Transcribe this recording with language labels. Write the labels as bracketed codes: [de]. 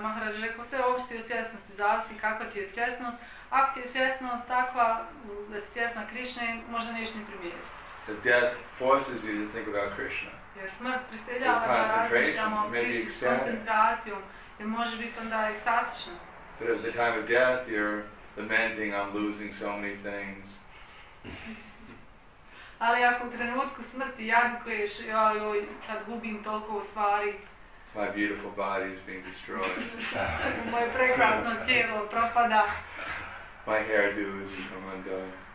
[bs] Maharaj rekao, sve ovisi od svjesnosti, zavisi kakva ti je svjesnost. Ako ti je svjesnost takva da si svjesna Krišne, možda nešto ne primijeti. [en] That death forces you to think about Krishna. [bs] Jer smrt prisiljava da razmišljamo o Krishni s koncentracijom, jer može biti onda ekstatično. [en] But at the time of death, you're lamenting, I'm losing so many things. [bs] Ali ako u trenutku smrti jadikuješ, joj, sad gubim toliko stvari. [en] My beautiful body is being destroyed. [bs] Moje prekrasno tijelo propada. [en] My hairdo is become undone.